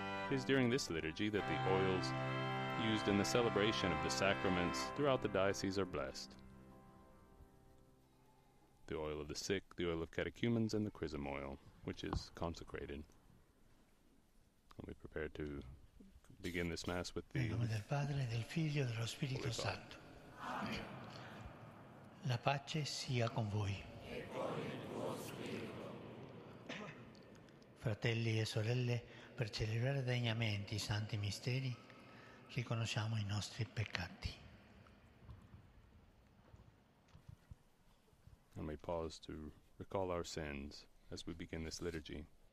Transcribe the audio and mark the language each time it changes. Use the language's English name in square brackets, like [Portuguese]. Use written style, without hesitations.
[English] It is during this liturgy that the oils used in the celebration of the sacraments throughout the diocese are blessed. The oil of the sick, the oil of catechumens, and the chrism oil, which is consecrated. And we prepare to begin this Mass with the [Italian] Nome del Padre, del Figlio, dello Spirito Santo. La pace sia con voi. E con il tuo spirito. Fratelli e sorelle, per celebrare degnamente i santi misteri, riconosciamo i nostri peccati. [English] And we pause to recall our sins as we begin this liturgy.